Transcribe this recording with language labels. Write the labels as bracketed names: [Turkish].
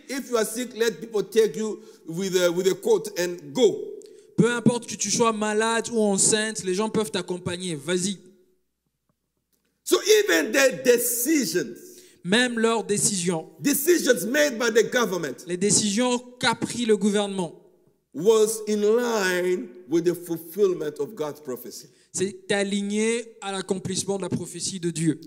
[English] If you are sick, let people take you with a coat and go. [French] Peu importe que tu sois malade ou enceinte, les gens peuvent t'accompagner. Vas-y. [English] So even their decisions, [French] même leurs décisions, [English] decisions made by the government, [French] les décisions qu'a pris le gouvernement, [English] was in line with the fulfillment of God's prophecy. [French] C'est aligné à l'accomplissement de la prophétie de Dieu.